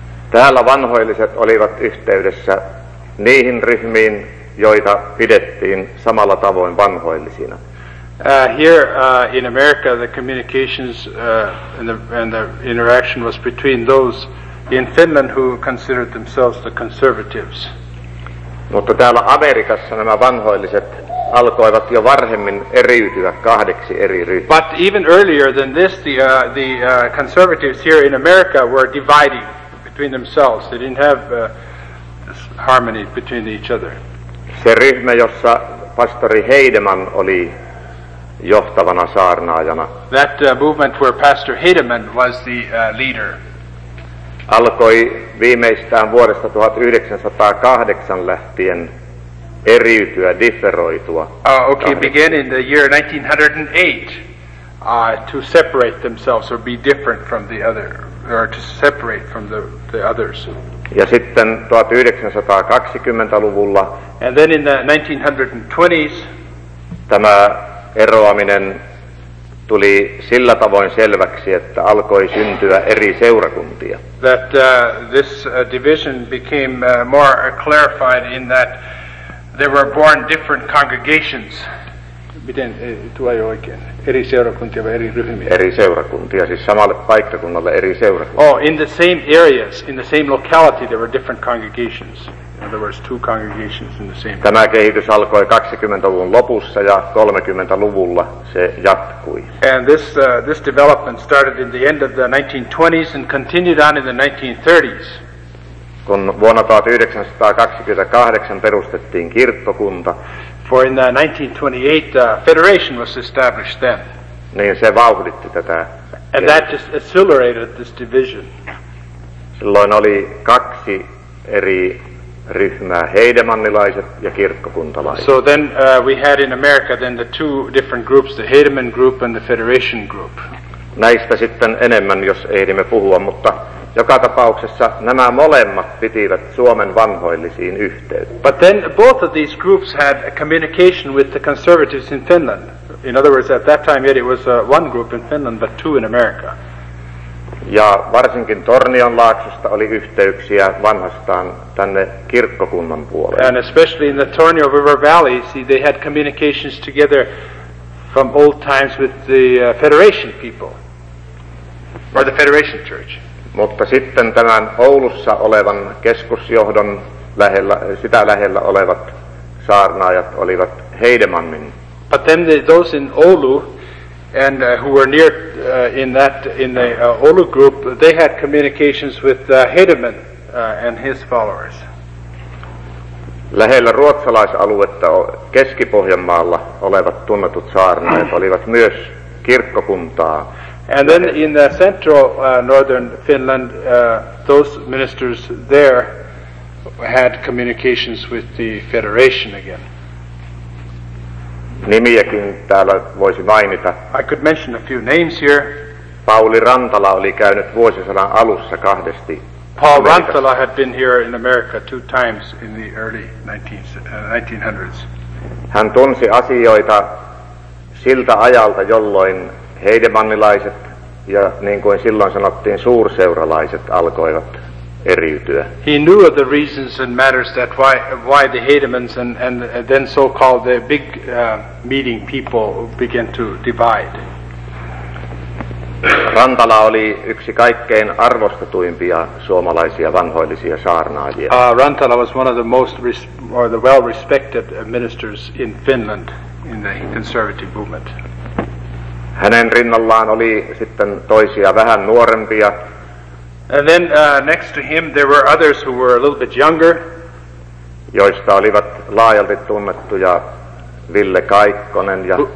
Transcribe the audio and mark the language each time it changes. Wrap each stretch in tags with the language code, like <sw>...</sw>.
<fi>Täällä vanhoilliset olivat yhteydessä niihin ryhmiin, joita pidettiin samalla tavoin vanhoillisina.</fi> <en>Here in America, the communications and the interaction was between those in Finland who considered themselves the conservatives.</en> <fi>Mutta täällä Amerikassa nämä vanhoilliset alkoivat jo varhemmin eriytyä kahdeksi eri ryhmiin.</fi> <en>But even earlier than this, the conservatives here in America were dividing between themselves. They didn't have harmony between each other.</en> <fi>Se ryhmä, jossa pastori Heidemann oli johtavana saarnaajana.</fi> <en>That movement where Pastor Heidemann was the leader.</en> <fi>Alkoi viimeistään vuodesta 1908 lähtien eriytyä, differoitua.</fi> <en>Okay, began in the year 1908 to separate themselves or be different from the other, or to separate from the others.</en> <fi>Ja sitten 1920-luvulla.</fi> <en>And then in the 1920s.</en> <fi>Tämä eroaminen tuli sillä tavoin selväksi, että alkoi syntyä eri seurakuntia.</fi> <en>That this division became more clarified in that there were born different congregations.</en> <fi>Miten tulee oikein? Eri seurakuntia vai eri ryhmiä? Eri seurakuntia, siis samalle paikkakunnalle eri seurakuntia.</fi> <en>Oh, in the same areas, in the same locality, there were different congregations. In other words, two congregations in the same area.</en> <fi>Tämä kehitys alkoi 20-luvun lopussa ja 30-luvulla se jatkui.</fi> <en>And this this development started in the end of the 1920s and continued on in the 1930s.</en> <fi>Kun vuonna 1928 perustettiin kirkkokunta.</fi> <en>For in the 1928, federation was established then.</en> <fi>Niin se vauhditti tätä.</fi> <en>And that just accelerated this division.</en> <fi>Silloin oli kaksi eri ryhmää, heidemannilaiset ja kirkkokuntalaiset.</fi> <en>So then we had in America then the two different groups, the Heidemann group and the federation group.</en> <fi>Näistä sitten enemmän, jos ehdimme puhua, mutta Joka tapauksessa nämä molemmat pitivät Suomen vanhoillisiin yhteyttä.</fi> <en>But then both of these groups had a communication with the conservatives in Finland. In other words, at that time yet it was one group in Finland, but two in America.</en> <fi>Ja varsinkin Tornion laaksosta oli yhteyksiä vanhastaan tänne kirkkokunnan puolelle.</fi> <en>And especially in the Tornio River Valley, see, they had communications together from old times with the Federation people, or the Federation Church.</en> <fi>Mutta sitten tämän Oulussa olevan keskusjohdon lähellä, sitä lähellä olevat saarnaajat olivat Heidemannin.</fi> <en>But then those in Oulu, and who were near in that in the Oulu group, they had communications with Heidemann and his followers.</en> <fi>Lähellä ruotsalaisaluetta Keski-Pohjanmaalla olevat tunnetut saarnaajat olivat myös kirkkokuntaa.</fi> <en>And then in the central northern Finland, those ministers there had communications with the Federation again.</en> <fi>Nimiäkin täällä voisi mainita.</fi> <en>I could mention a few names here.</en> <fi>Pauli Rantala oli käynyt vuosisadan alussa kahdesti.</fi> <en>Paul Rantala had been here in America two times in the early 1900s.</en> <fi>Hän tunsi asioita siltä ajalta, jolloin heidemannilaiset ja niin kuin silloin sanottiin suurseuralaiset alkoivat eriytyä.</fi> <en>He knew of the reasons and matters that why the Heidemanns and then so-called the big meeting people began to divide.</en> <fi>Rantala oli yksi kaikkein arvostetuimpia suomalaisia vanhoillisia saarnaajia.</fi> <en>Rantala was one of the most or the well-respected ministers in Finland in the conservative movement.</en> <fi>Hänen rinnallaan oli sitten toisia vähän nuorempia.</fi> <en>And then next to him there were others who were a little bit younger.</en> <fi>Joista olivat laajalti tunnettuja Ville Kaikkonen ja</fi>